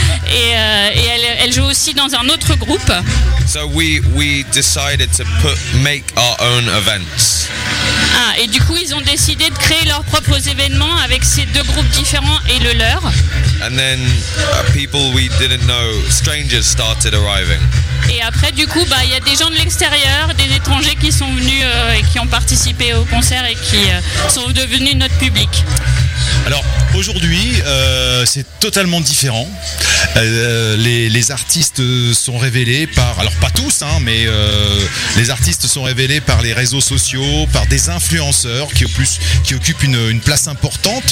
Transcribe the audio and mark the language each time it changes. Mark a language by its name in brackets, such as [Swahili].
[French] et elle joue aussi dans un autre groupe. [English] So we decided to make our own events. [French] Ah, et du coup ils ont décidé de créer leurs propres événements avec ces deux groupes différents et le leur. [English] And then people we didn't know, strangers started arriving. [French] Et après du coup bah il y a des gens de l'extérieur, des étrangers qui sont venus et qui ont participé au concert et qui sont devenus notre public. Alors aujourd'hui c'est totalement différent. Les artistes sont révélés par, alors pas tous hein, mais les artistes sont révélés par les réseaux sociaux, par des influenceurs qui occupent une place importante.